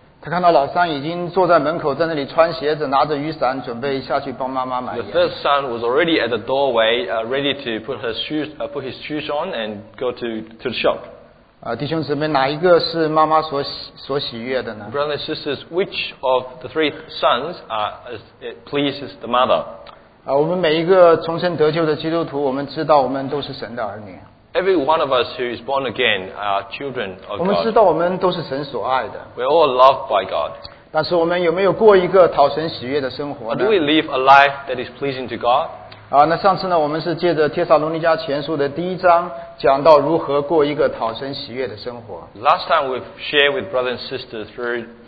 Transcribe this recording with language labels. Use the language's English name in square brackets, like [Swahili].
[Chinese] 他看到老三已经坐在门口，在那里穿鞋子，拿着雨伞，准备下去帮妈妈买盐。 [English] The first son was already at the doorway, ready to put his shoes on and go to the shop. [Chinese] 弟兄姊妹，哪一个是妈妈所喜悦的呢 [English] ？Brothers and sisters, which of the three sons pleases the mother? [Chinese] 我们每一个重生得救的基督徒，我们知道我们都是神的儿女。 [English] Every one of us who is born again are children of God. [Chinese] 我们知道我们都是神所爱的。 [English] We're all loved by God. [Chinese] 但是我们有没有过一个讨神喜悦的生活呢 [English] ？Do we live a life that is pleasing to God? [Chinese] 那上次呢，我们是借着《帖撒罗尼迦前书》的第一章，讲到如何过一个讨神喜悦的生活。 [English] Last time we've shared with brothers and sisters through